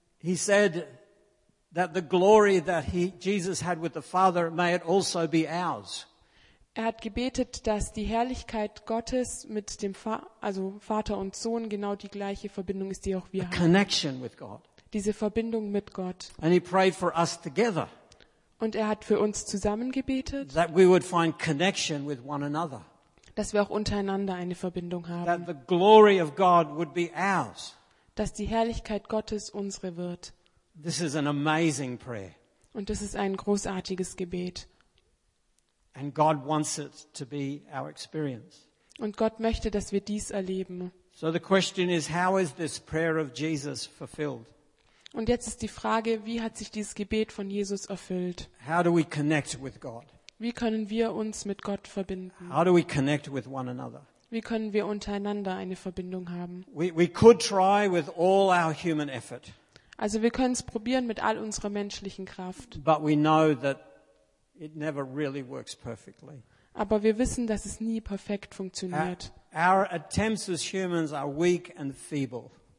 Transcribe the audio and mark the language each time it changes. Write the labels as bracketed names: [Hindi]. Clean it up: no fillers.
[English] He said that the glory that Jesus had with the Father, may it also be ours. [German] Er hat gebetet, dass die Herrlichkeit Gottes mit dem Vater und Sohn genau die gleiche Verbindung ist, die auch wir haben. [English] Connection with God. [German] Diese Verbindung mit Gott. [English] And he prayed for us together. [German] Und er hat für uns zusammen gebetet. [English] That we would find connection with one another. [German] Dass wir auch untereinander eine Verbindung haben. [English] That the glory of God would be ours. [German] Dass die Herrlichkeit Gottes unsere wird. [English] This is an amazing prayer. [German] Und das ist ein großartiges Gebet. [English] And God wants it to be our experience. [German] Und Gott möchte, dass wir dies erleben. [English] So the question is, how is this prayer of Jesus fulfilled? [German] Und jetzt ist die Frage, wie hat sich dieses Gebet von Jesus erfüllt? [English] How do we connect with God? [German] Wie können wir uns mit Gott verbinden? [English] How do we connect with one another? [German] Wie können wir untereinander eine Verbindung haben? [English] We could try with all our human effort. [German] Also wir können es probieren mit all unserer menschlichen Kraft. [English] But we know that it never really works perfectly. [German] Aber wir wissen, dass es nie perfekt funktioniert. [English] Our attempts as humans are weak and feeble.